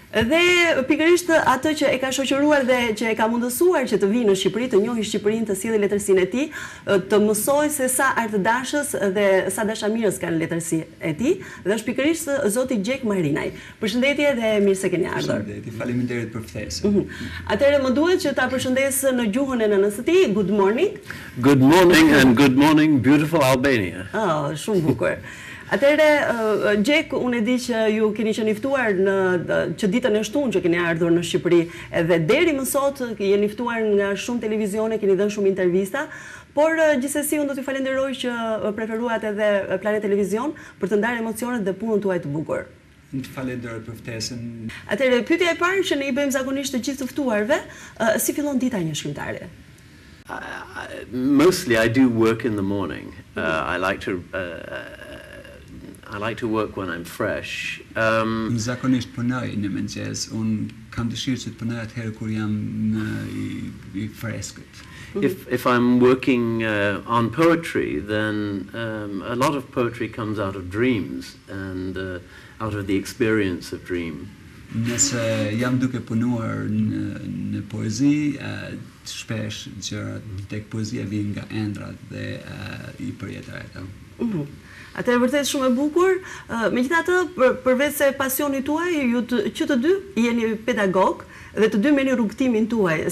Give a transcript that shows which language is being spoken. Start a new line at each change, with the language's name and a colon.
Albanian: Dhe pikërisht atë që e ka shoqëruar dhe që e ka mundësuar që të vinë në Shqipëri, të njohë Shqipërinë, të sjellë letërsinë e tij, të mësoj se sa artdashës dhe sa dashamirës kanë letërsia e tij, dhe është pikërisht zoti Gjek Marinaj. Përshëndetje dhe mirë se keni ardhur. Përshëndetje, faleminderit për ftesën. Atëherë më duhet që ta përshëndes në gjuhën e nënës së tij.
English: Good morning. Good morning and good morning beautiful Albania.
Albanian: Ah, shumë bukur. Atëre, Gjek, unë e di që ju keni qenë i ftuar në që ditën e shtunë që keni ardhur në Shqipëri, edhe deri më sot jeni ftuar nga shumë televizione, keni dhënë shumë intervista, por gjithsesi unë do t'ju falenderoj që preferuat edhe Planet Televizion për të ndarë emocionet dhe punën tuaj të bukur. Në të falenderoj për ftesën. Atëre, pyetja e parë që ne i bëjmë zakonisht të gjithë të ftuarve, si fillon dita një shkrimtare?
English: Mostly I do work in the morning. I like to work when I'm fresh.
Albanian: Zakonisht punoj në mëngjes, un kam dëshirë të punoj atëherë kur jam i freskët.
English: If I'm working on poetry, then a lot of poetry comes out of dreams and out of the experience of dream.
Albanian: Nëse jam duke punuar në poezi, shpesh gjërat tek poezia vijnë nga ëndrat dhe i përjetojta. Atëherë vërtet shumë e bukur. Megjithatë, përveç se pasionit tuaj, ju që të dy jeni pedagog dhe të dy merrni rrugtimin tuaj.